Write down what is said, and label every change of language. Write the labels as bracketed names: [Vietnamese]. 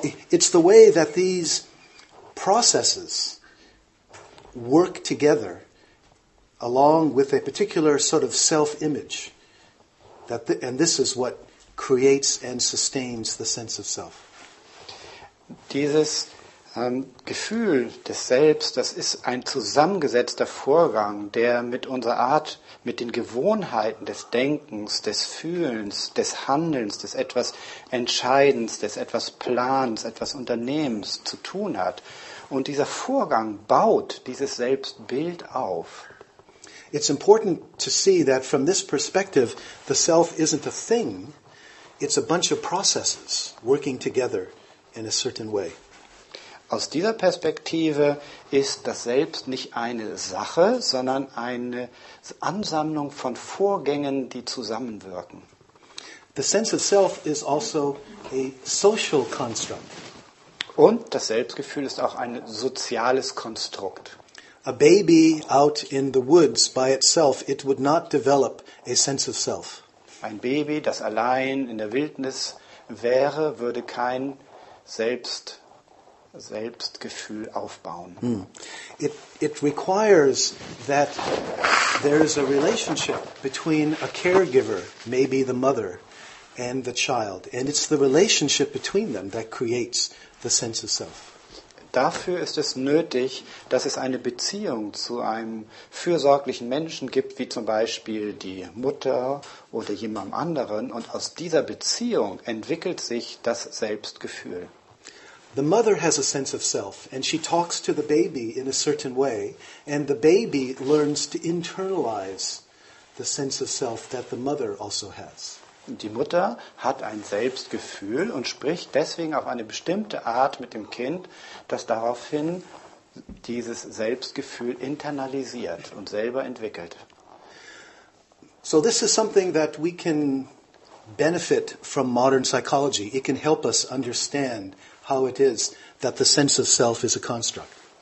[English] It's the way that these processes work together along with a particular sort of self-image, and this is what creates and sustains the sense of self. [German] Dieses Gefühl des Selbst, das ist ein zusammengesetzter Vorgang, der mit unserer Art, mit den Gewohnheiten des Denkens, des Fühlens, des Handelns, des etwas Entscheidens, des etwas Plans, etwas Unternehmens zu tun hat. Und dieser Vorgang baut dieses Selbstbild auf. [English] It's important to see that from this perspective, the self isn't a thing, it's a bunch of processes working together in a certain way. [German] Aus dieser Perspektive ist das Selbst nicht eine Sache, sondern eine Ansammlung von Vorgängen, die zusammenwirken. [English] The sense of self is also a social construct. [German] Und das Selbstgefühl ist auch ein soziales Konstrukt. [English] A baby out in the woods by itself, it would not develop a sense of self. [German] Ein Baby, das allein in der Wildnis wäre, würde kein Selbstgefühl aufbauen. Hmm. [English] It requires that there is a relationship between a caregiver, maybe the mother, and the child, and it's the relationship between them that creates the sense of self. [German] Dafür ist es nötig, dass es eine Beziehung zu einem fürsorglichen Menschen gibt, wie zum Beispiel die Mutter oder jemand anderen, und aus dieser Beziehung entwickelt sich das Selbstgefühl. [English] The mother has a sense of self, and she talks to the baby in a certain way, and the baby learns to internalize the sense of self that the mother also has. [German] Die Mutter hat ein Selbstgefühl und spricht deswegen auf eine bestimmte Art mit dem Kind, das daraufhin dieses Selbstgefühl internalisiert und selber entwickelt. [English] So this is something that we can benefit from modern psychology. It can help us understand how it is that the sense of self is a construct.